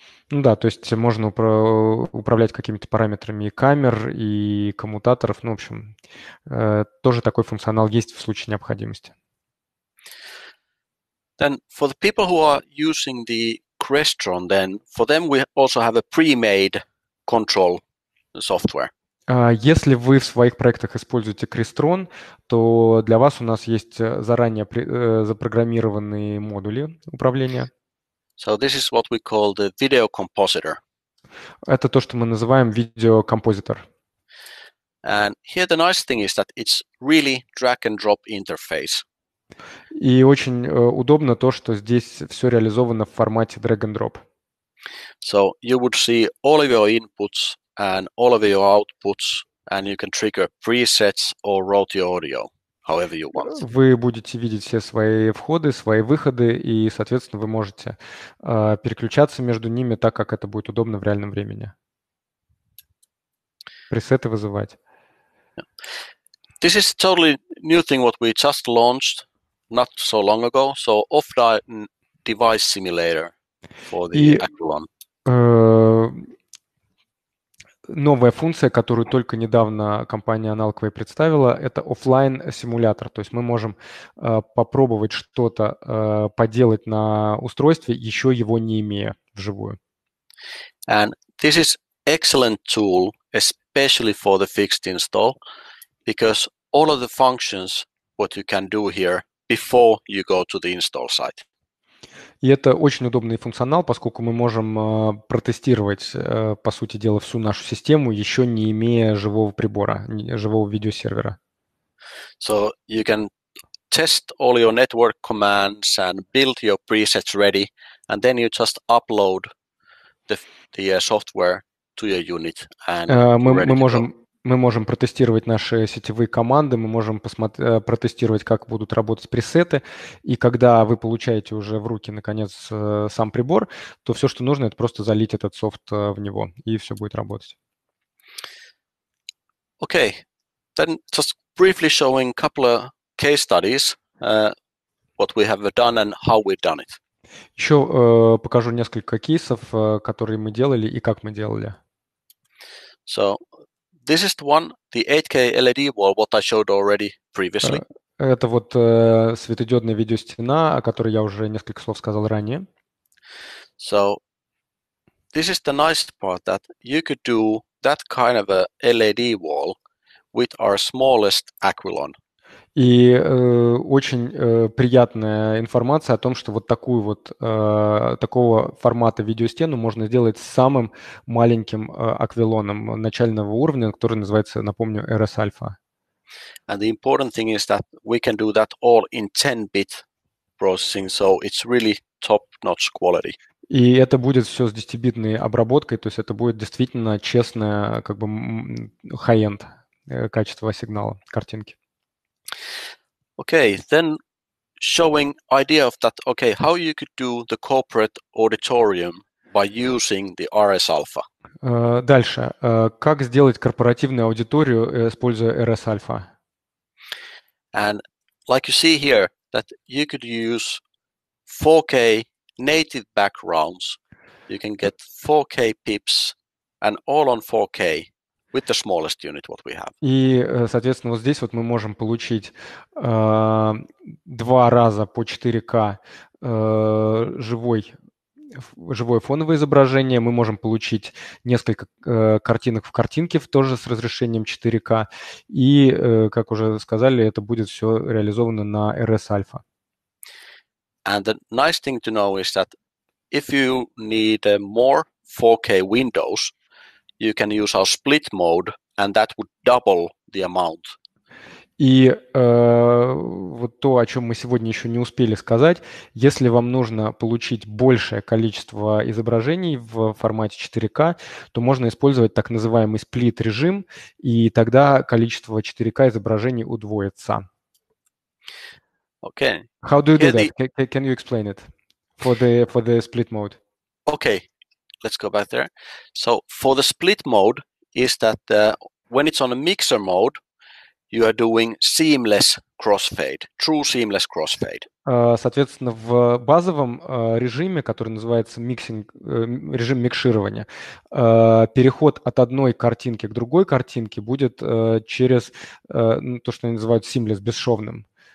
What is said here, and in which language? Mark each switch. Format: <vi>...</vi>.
<ru>Ну да, то есть можно управлять какими-то параметрами и камер, и коммутаторов. Ну, в общем, тоже такой функционал есть в случае необходимости.</ru> <en>Then for the people who are using the Crestron, then for them we also have a pre-made control software.</en> <ru>Если вы в своих проектах используете Crestron, то для вас у нас есть заранее запрограммированные модули управления.</ru> <en>So this is what we call the video compositor.</en> <ru>Это то, что мы называем видеокомпозитор.</ru> <en>And here the nice thing is that it's really drag and drop interface.</en> <ru>И очень удобно то, что здесь все реализовано в формате drag and drop.</ru> <en>So you would see all of your inputs and all of your outputs, and you can trigger presets or route your audio however you want.</en> <ru>Вы будете видеть все свои входы, свои выходы, и, соответственно, вы можете переключаться между ними так, как это будет удобно в реальном времени. Пресеты вызывать.</ru> <en>This is totally new thing what we just launched not so long ago. So offline device simulator for the actual one.</en> <ru>Новая функция, которую только недавно компания Analog Way представила, это офлайн-симулятор. То есть мы можем попробовать что-то поделать на устройстве, еще его не имея вживую.</ru> <en>And this is excellent tool, especially for the fixed install, because all of the functions, what you can do here before you go to the install site.</en> <ru>И это очень удобный функционал, поскольку мы можем протестировать, по сути дела, всю нашу систему, еще не имея живого прибора, живого видеосервера.</ru> <en>So you can test all your network commands and build your presets ready, and then you just upload the software to your unit. And</en> <ru>мы можем протестировать наши сетевые команды, мы можем протестировать, как будут работать пресеты. И когда вы получаете уже в руки, наконец, сам прибор, то все, что нужно, это просто залить этот софт в него, и все будет работать.</ru> <en>Okay. Then just briefly showing a couple of case studies, what we have done and how we've done it.</en> <ru>Еще покажу несколько кейсов, которые мы делали и как мы делали.</ru> <en>So... This is the one, the 8K LED wall, what I showed already previously.</en> <ru>Это вот светодиодная видеостена, о которой я уже несколько слов сказал ранее.</ru> <en>So, this is the nice part that you could do that kind of a LED wall with our smallest Aquilon.</en> <ru>И очень приятная информация о том, что вот такую вот, такого формата видеостену можно сделать с самым маленьким аквилоном начального уровня, который называется, напомню, RS-Alpha.</ru> <en>And the important thing is that we can do that all in 10-bit processing, so it's really top-notch quality.</en> <ru>И это будет все с 10-битной обработкой, то есть это будет действительно честное, как бы high-end качество сигнала, картинки.</ru> <en>Okay, then showing idea of that, okay, how you could do the corporate auditorium by using the RS-Alpha.</en> <ru>Дальше. Как сделать корпоративную аудиторию, используя RS-Alpha?</ru> <en>And like you see here, that you could use 4K native backgrounds. You can get 4K pips and all on 4K. With the smallest unit what we have.</en> <ru>И, соответственно, вот здесь вот мы можем получить два раза по 4К живое фоновое изображение. Мы можем получить несколько картинок в картинке тоже с разрешением 4К. И, как уже сказали, это будет все реализовано на RS-Alpha.</ru> <en>And the nice thing to know is that if you need more 4K windows, you can use our split mode, and that would double the amount.</en> <ru>И вот то, о чем мы сегодня еще не успели сказать, если вам нужно получить большее количество изображений в формате 4К, то можно использовать так называемый сплит-режим, и тогда количество 4К изображений удвоится.</ru> <en>Okay. How do you do that? Can you explain it for the split mode? Okay. Let's go back there. So for the split mode is that when it's on a mixer mode, you are doing seamless crossfade, true seamless crossfade.</en> <ru>Соответственно, в базовом режиме, который называется mixing, режим микширования, переход от одной картинки к другой картинке будет через то, что они называют seamless, бесшовным.</ru>